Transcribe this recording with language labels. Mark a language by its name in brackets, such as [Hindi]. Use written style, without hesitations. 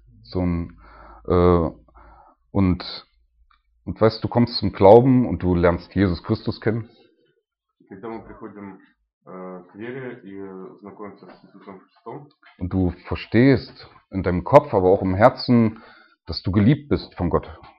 [German] So ein, und weißt du, kommst zum Glauben und du lernst Jesus Christus kennen. [Russian] Когда мы приходим к вере и знакомимся с Иисусом Христом. [German] Und du verstehst in deinem Kopf, aber auch im Herzen, dass du geliebt bist von Gott.